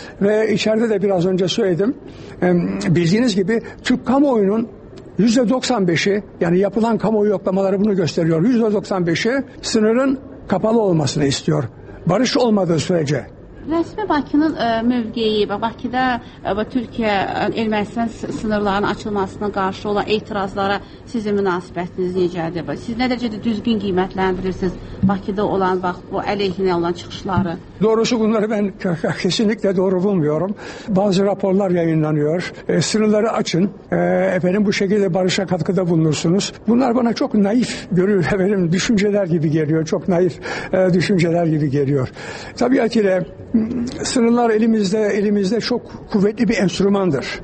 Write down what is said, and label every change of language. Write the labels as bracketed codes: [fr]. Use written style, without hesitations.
[tr] Ve içeride de biraz önce söyledim. Bildiğiniz gibi Türk kamuoyunun %95'i, yani yapılan kamuoyu yoklamaları bunu gösteriyor. %95'i sınırın kapalı olmasını istiyor. Barış olmadığı sürece. [az] Resmi Bakı'nın mövqeyi, Bakı'da Türkiye Ermənistan [tr] sınırlarının açılmasına karşı olan [az] etirazlara sizin münasibetiniz necədir? Siz ne derecede düzgün qiymətləndirirsiniz Bakı'da olan bu əleyhinə olan çıxışları? [tr] Doğrusu bunları ben kesinlikle doğru bulmuyorum. Bazı raporlar yayınlanıyor. Sınırları açın. Efendim, bu şekilde barışa katkıda bulunursunuz. Bunlar bana çok naif görüyor. Efendim, düşünceler gibi geliyor. Çok naif düşünceler gibi geliyor. Tabiatıyla sınırlar elimizde çok kuvvetli bir enstrümandır.